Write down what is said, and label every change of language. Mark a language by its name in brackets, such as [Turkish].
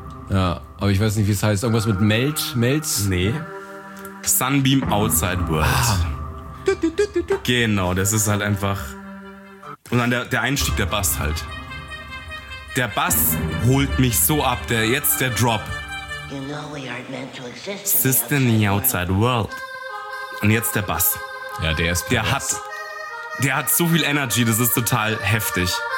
[German] Ja, aber ich weiß nicht, wie es heißt. Irgendwas mit Melt? Melt? Nee. Sunbeam Outside World. Ah. Genau, das ist halt einfach. Und dann der Einstieg, der Bass halt. Der Bass holt mich so ab, der Drop. [English] You know we aren't meant to exist in the outside, world. [German] Und jetzt der Bass. Ja, der ist perfekt. Der hat so viel Energy, das ist total heftig.